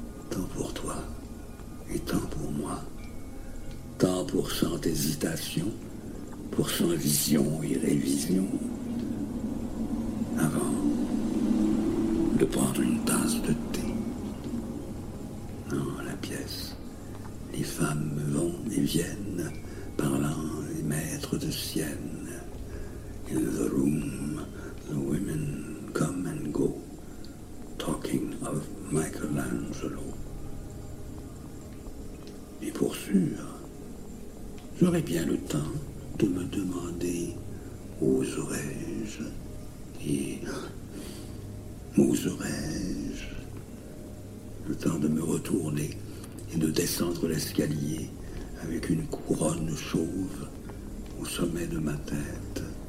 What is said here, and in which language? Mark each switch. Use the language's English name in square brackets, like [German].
[French] Tant pour toi et tant pour moi, tant pour cent hésitations, pour cent visions et révisions, avant de prendre une tasse de thé. Dans la pièce, les femmes vont et viennent, parlant des maîtres de Sienne. [English] In the room, the women come and go, talking of Michelangelo. [French] Et pour sûr, j'aurai bien le temps de me demander, oserais-je, et oserais-je, le temps de me retourner et de descendre l'escalier avec une couronne chauve au sommet de ma tête.